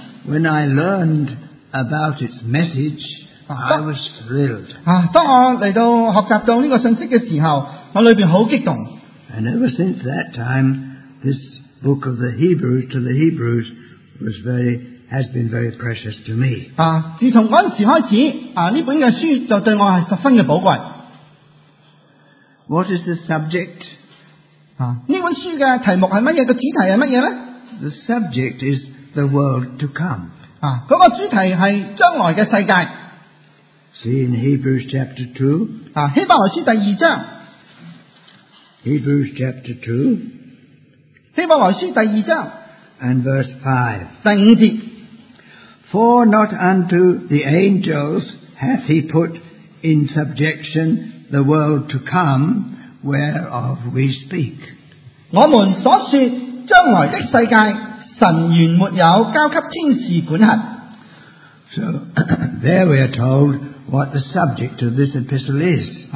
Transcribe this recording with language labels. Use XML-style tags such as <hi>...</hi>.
<en>When I learned about its message, I was thrilled.</en> <zh>当我来到学习到这个信息的时候，我里边很激动。</zh> <en>And ever since that time, this book of the Hebrews to the Hebrews has been very precious to me.</en> <zh>自从那时开始，这本书就对我是十分的宝贵。</zh> <en>What is the subject?</en> <zh>这本书的题目是什么？主题是什么呢？</zh> <en>The subject is the world to come.</en> <zh>那个主题是将来的世界。</zh> <en>See in Hebrews chapter 2.</en> <zh>希伯来书第二章。</zh> <en>Hebrews chapter 2.</en> <zh>希伯来书第二章。</zh> <en>And verse 5.</en> <zh>第五节。</zh> <en>For not unto the angels hath he put in subjection the world to come, whereof we speak.</en> <zh>我们所说将来的世界，神原没有交给天使管辖。</zh> <en>So, there we are told what the subject of this epistle is.</en>